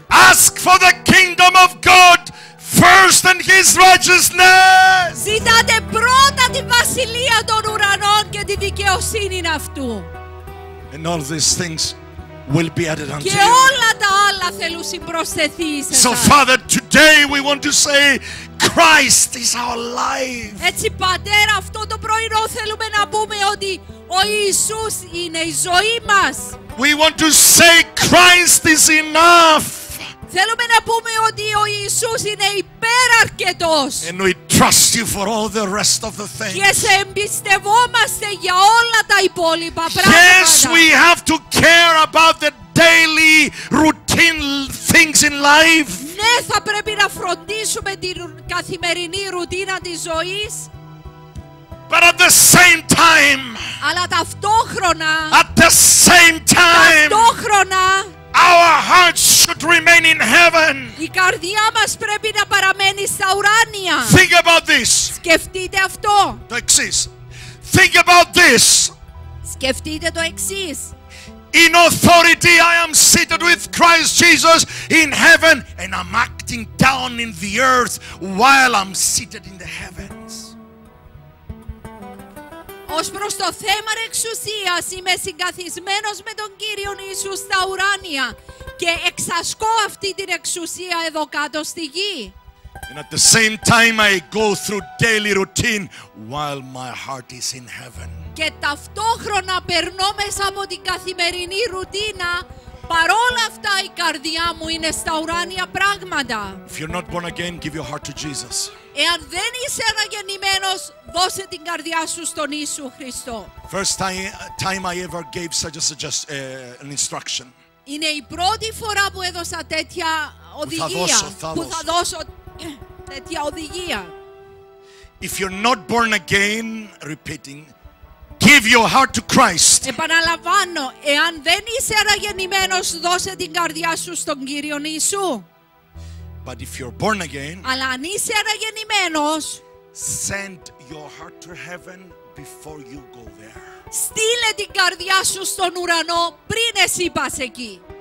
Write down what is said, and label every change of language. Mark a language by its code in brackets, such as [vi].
[en] Ask for the kingdom of God first and his righteousness. [el] Ζητάτε πρώτα τη βασιλεία των ουρανών και τη δικαιοσύνη αυτού. [en] And all these things will be added unto you. [el] Και όλα τα άλλα θέλουν συμπροσθεθεί σε εσάς. [en] So Father, today we want to say Christ is our life. [el] Έτσι Πατέρα, αυτό το πρωινό θέλουμε να πούμε ότι ο Ιησούς είναι η ζωή μας. [en] We want to say Christ is enough. [el] Θέλουμε να πούμε ότι ο Ιησούς είναι υπεραρκετός. [en] And we trust you for all the rest of the things. [el] Και σε εμπιστευόμαστε για όλα τα υπόλοιπα πράγματα. [en] Yes, we have to care about the daily routine things in life. [el] Ναι, θα πρέπει να φροντίσουμε την καθημερινή ρουτίνα της ζωής. [en] But at the same time, [el] αλλά ταυτόχρονα, [en] at the same time, [el] ταυτόχρονα, [en] our hearts should remain in heaven. [el] Η καρδιά μας πρέπει να παραμένει στα ουράνια. [en] Think about this. [el] Σκεφτείτε αυτό. Το εξής. [en] Think about this. [el] Σκεφτείτε το εξής. [en] In authority I am seated with Christ Jesus in heaven and I'm acting down in the earth while I'm seated in the heavens. [el] Ως προς το θέμα εξουσίας είμαι συγκαθισμένος με τον Κύριον Ιησού στα ουράνια και εξασκώ αυτή την εξουσία εδώ κάτω στη γη. [en] And at the same time I go through daily routine while my heart is in heaven. [el] Και ταυτόχρονα περνώ μέσα από την καθημερινή ρουτίνα, παρόλα αυτά η καρδιά μου είναι στα ουράνια πράγματα. [en] If you're not born again, give your heart to Jesus. [el] Εάν δεν είσαι αναγεννημένος, δώσε την καρδιά σου στον Ιησού Χριστό. [en] First time I ever gave such a an instruction. [el] Είναι η πρώτη φορά που έδωσα τέτοια οδηγία. Θα δώσω τέτοια οδηγία. [en] If you're not born again, repeating, give your heart to Christ. [el] Επαναλαμβάνω, εάν δεν είσαι αναγεννημένος, δώσε την καρδιά σου στον Κύριο Ιησού. [en] But if you're born again, [el] αλλά αν είσαι αναγεννημένος, [en] send your heart to heaven before you go there. [el] Στείλε την καρδιά σου στον ουρανό πριν εσύ πας εκεί.